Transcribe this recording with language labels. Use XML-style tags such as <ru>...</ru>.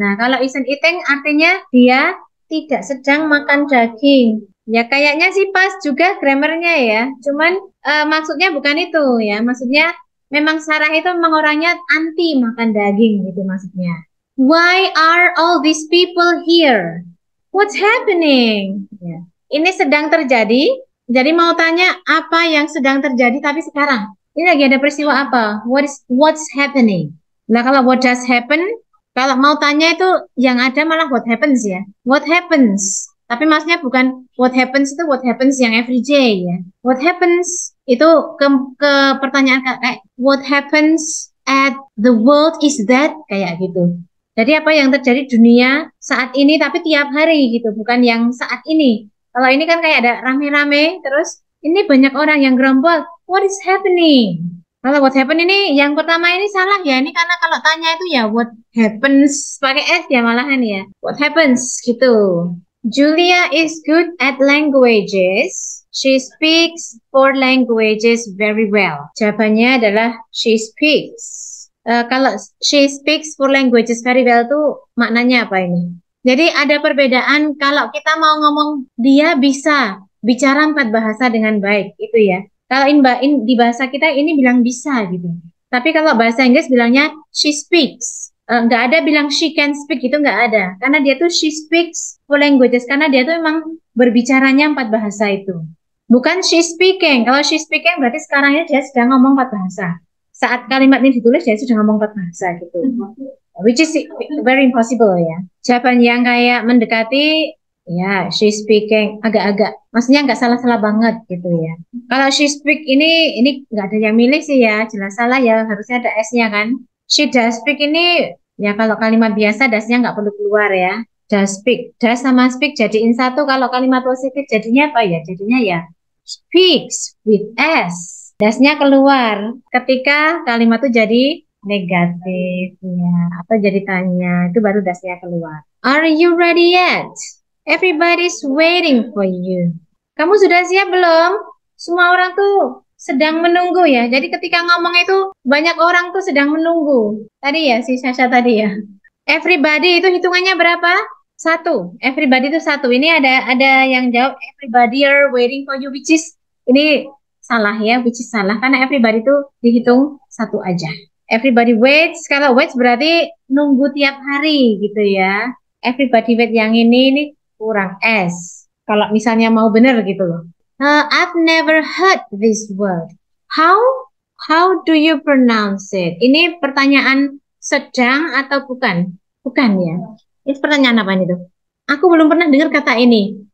<id>Nah, kalau</id> <en>isn't eating</en> <id>artinya dia tidak sedang makan daging. Ya, kayaknya sih pas juga grammarnya ya. Cuman maksudnya bukan itu ya. Maksudnya memang Sarah itu memang orangnya anti makan daging gitu maksudnya.</id> <en>Why are all these people here? What's happening? Yeah.</en> <id>Ini sedang terjadi. Jadi mau tanya apa yang sedang terjadi tapi sekarang. Ini lagi ada peristiwa apa?</id> <en>What's happening?</en> <id>Nah, kalau</id> <en>what just happen,</en> <id>kalau mau tanya itu yang ada malah</id> <en>what happens</en> <id>ya.</id> <en>What happens?</en> <id>Tapi maksudnya bukan</id> <en>what happens</en> <id>itu what happens yang everyday ya.</id> <en>What happens</en> <id>itu ke pertanyaan kayak</id> <en>what happens at the world is that</en> <id>kayak gitu. Jadi apa yang terjadi dunia saat ini tapi tiap hari gitu, bukan yang saat ini. Kalau ini kan kayak ada rame-rame, terus ini banyak orang yang gerombol.</id> <en>What is happening?</en> <id>Kalau</id> <en>what happen</en> <id>ini yang pertama ini salah ya. Ini karena kalau tanya itu ya</id> <en>what happens</en> <id>pakai S ya malahan ya.</id> <en>What happens gitu. Julia is good at languages. She speaks four languages very well.</en> <id>Jawabannya adalah</id> <en>she speaks.</en> <id>Kalau</id> <en>she speaks four languages very well</en> <id>itu maknanya apa ini? Jadi ada perbedaan kalau kita mau ngomong dia bisa bicara empat bahasa dengan baik, itu ya. Kalau di bahasa kita ini bilang bisa gitu. Tapi kalau bahasa Inggris bilangnya she speaks. Nggak ada bilang</id> <en>she can speak,</en> <id>itu nggak ada. Karena dia tuh</id> <en>she speaks four languages,</en> <id>karena dia tuh emang berbicaranya empat bahasa itu. Bukan</id> <en>she speaking.</en> <id>Kalau she speaking berarti sekarang dia sedang ngomong empat bahasa. Saat kalimat ini ditulis, dia sudah ngomong empat bahasa gitu.</id> <en>Which is very impossible ya.</en> <id>Jawaban yang kayak mendekati, ya yeah,</id> <en>she speaking</en> <id>agak-agak. Maksudnya nggak salah-salah banget gitu ya. Kalau</id> <en>she speak</en> <id>ini nggak ada yang milih sih ya. Jelas salah ya, harusnya ada S-nya kan.</id> <en>She does speak</en> <id>ini, ya kalau kalimat biasa does-nya nggak perlu keluar ya.</id> <en>Does speak,</en> <id>does sama speak jadiin satu. Kalau kalimat positif jadinya apa ya? Jadinya ya</id> <en>speaks with S.</en> <id>Dasnya keluar ketika kalimat itu jadi negatif ya, atau jadi tanya, itu baru dasnya keluar.</id> <en>Are you ready yet? Everybody's waiting for you.</en> <id>Kamu sudah siap belum? Semua orang tuh sedang menunggu ya. Jadi ketika ngomong itu banyak orang tuh sedang menunggu. Tadi ya si Sasha tadi ya. Everybody itu hitungannya berapa? Satu. Everybody itu satu. Ini ada yang jawab</id> <en>everybody are waiting for you, which is</en> <id>ini salah ya, which is salah, karena everybody itu dihitung satu aja.</id> <en>Everybody waits,</en> <id>kalau waits berarti nunggu tiap hari gitu ya.</id> <en>Everybody wait</en> <id>yang ini kurang S. Kalau misalnya mau benar gitu loh.</id> <en>I've never heard this word. How do you pronounce it?</en> <id>Ini pertanyaan sedang atau bukan? Bukan ya. Ini pertanyaan apa itu? Aku belum pernah dengar kata ini.</id>